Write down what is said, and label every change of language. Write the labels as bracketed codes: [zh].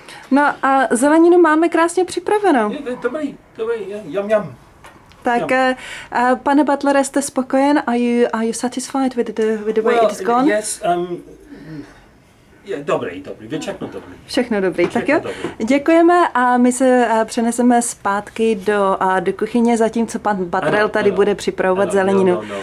[cs] No a zeleninu máme krásně připravenou. Dobrý, jam, jam. Tak, pane Butlere, jste spokojen? [en] Are you satisfied with the way it's gone? [cs] Yes, dobrý, všechno dobrý. Všechno dobrý, tak jo. Děkujeme a my se přeneseme zpátky do kuchyně, zatímco pan Butler tady bude připravovat zeleninu.